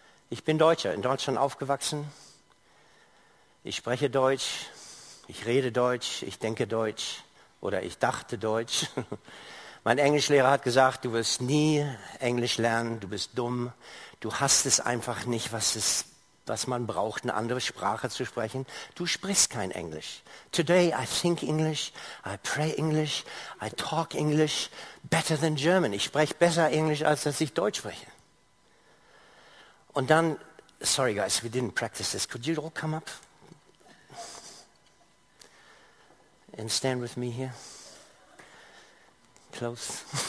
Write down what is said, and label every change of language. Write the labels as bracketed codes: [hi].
[de] Ich bin Deutscher, in Deutschland aufgewachsen. Ich spreche Deutsch, ich rede Deutsch, ich denke Deutsch oder ich dachte Deutsch. Mein Englischlehrer hat gesagt, du wirst nie Englisch lernen, du bist dumm. Du hast es einfach nicht, was man braucht, eine andere Sprache zu sprechen. Du sprichst kein Englisch. [en] Today I think English, I pray English, I talk English better than German. [de] Ich spreche besser Englisch, als dass ich Deutsch spreche. Und dann, [en] sorry guys, we didn't practice this. Could you all come up and stand with me here? Close.